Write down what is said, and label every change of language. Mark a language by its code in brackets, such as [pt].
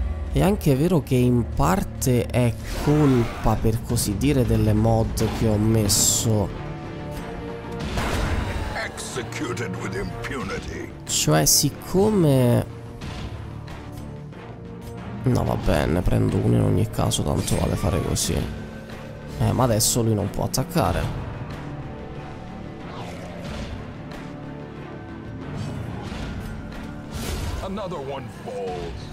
[it] È anche vero che in parte è colpa, per così dire, delle mod che ho messo. [en] Executed with impunity. [it] Cioè, siccome... no, va bene, prendo uno in ogni caso, tanto vale fare così. Ma adesso lui non può attaccare. [en] Another one falls.